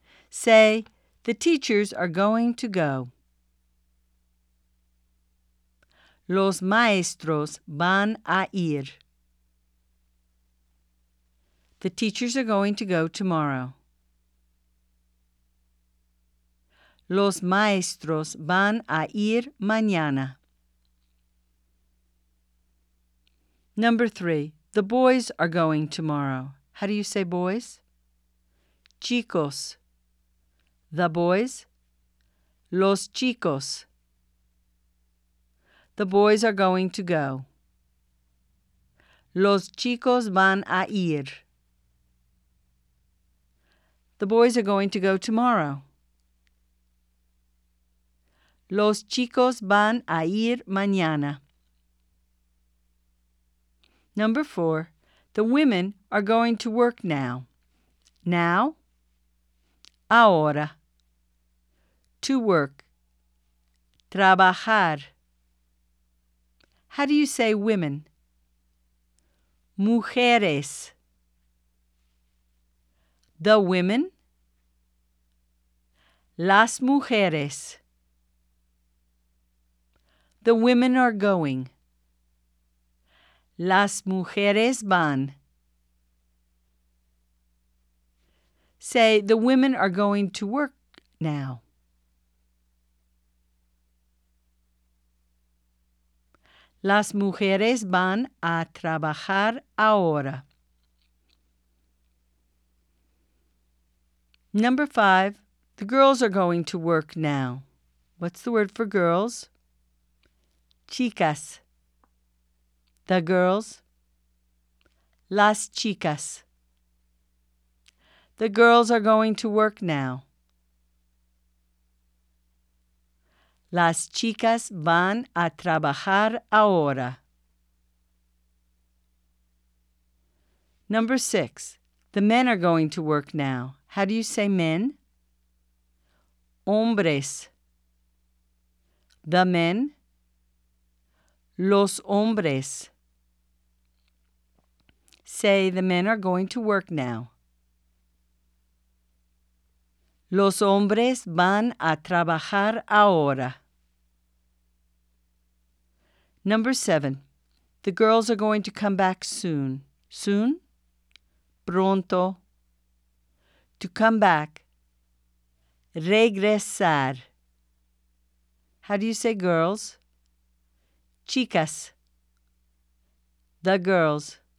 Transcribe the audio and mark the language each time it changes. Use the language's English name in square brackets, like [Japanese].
[English] Say, the teachers are going to go. [Spanish] Los maestros van a ir. [English] The teachers are going to go tomorrow. [Spanish] Los maestros van a ir mañana. [English] Number 3. The boys are going tomorrow. How do you say boys? Chicos. The boys? [Spanish] Los chicos. [English] The boys are going to go. [Spanish] Los chicos van a ir. [English] The boys are going to go tomorrow. [Spanish] Los chicos van a ir mañana. [English] Number 4. The women are going to work now. Now? Ahora. To work. Trabajar. How do you say women? Mujeres. The women? [Spanish] Las mujeres. [English] The women are going. [Spanish] Las mujeres van. [English] Say, the women are going to work now. [Spanish] Las mujeres van a trabajar ahora. [English] Number 5. The girls are going to work now. What's the word for girls? Chicas. The girls? [Spanish] Las chicas. [English] The girls are going to work now. [Spanish] Las chicas van a trabajar ahora. [English] Number 6. The men are going to work now. How do you say men? Hombres. The men? [Spanish] Los hombres. [English] Say, the men are going to work now. [Spanish] Los hombres van a trabajar ahora. [English] Number 7. The girls are going to come back soon. Soon? Pronto. To come back. Regresar. How do you say girls? Chicas. The girls.